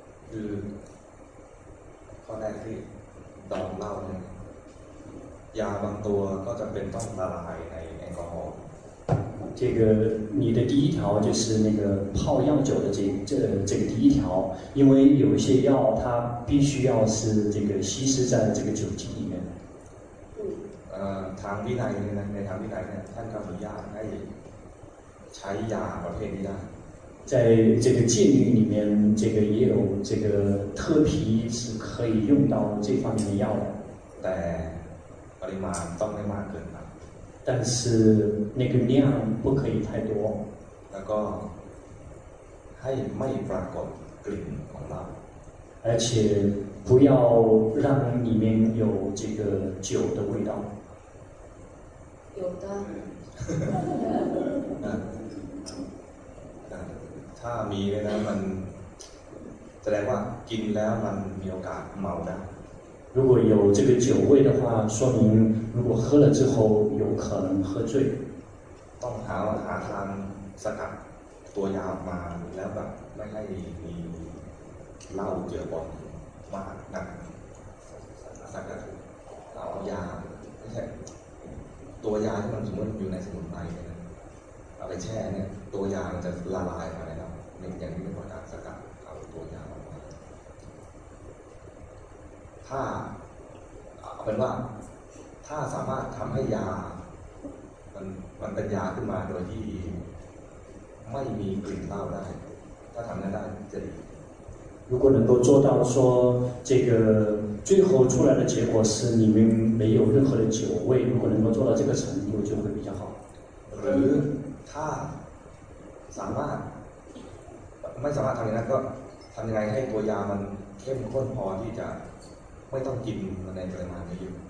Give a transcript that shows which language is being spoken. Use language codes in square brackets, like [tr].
[th] คือข้อแรกที่ดองเหล้าเนี่ยยาบางตัวก็จะเป็นต้องละลายในแอลกอฮอล์ [zh] 这个你的第一条就是那个泡药酒的这个第一条因为有一些药它必须要是这个稀释在这个酒精里面 [th] ทางวินัยในทางวินัยเนี่ยท่านก็อนุญาตให้ใช้ยาประเภทนี้ได้ [zh] 在这个戒律里面，这个也有这个特批是可以用到这方面的药的。 [th] 但ปริมาณต้องไม่มากเกินไป。 [zh] 但是那个量不可以太多。 [th] แล้วก็ให้ไม่ปรากฏกลิ่นของเหล้า。 [zh] 而且不要让里面有这个酒的味道。有的。 [th] ถ้ามีนะมันแสดงว่ากินแล้วมันมีโอกาสเมาได้ [zh] 如果有这个酒味的话说明如果喝了之后有可能喝醉 [th] ต้องหาทางสกัดตัวยามาแล้วแบบไม่ให้มีเหล้าเจือปนมากนักสกัดเหล้ายาไม่ใช่ตัวยาที่มันสมมติอยู่ในสมุนไพรเอาไปแช่เนี่ยตัวยามันจะละลายไปนะครับอย่างนี้ไม่ควรจะสกัดเอาตัวยาออกมา ถ้าเป็นว่าถ้าสามารถทำให้ยามันเป็นยาขึ้นมาโดยที่ไม่มีกลิ่นเหล้าได้ถ้าทำได้จะดี [zh] 如果能够做到说这个最后出来的结果是里面没有任何的酒味如果能够做到这个程度就会比较好 [th] หรือถ้าสามารถไม่สามารถทำอย่างนั้นก็ทำยังไงให้ตัวยามันเข้มข้นพอที่จะไม่ต้องกินในปริมาณนี้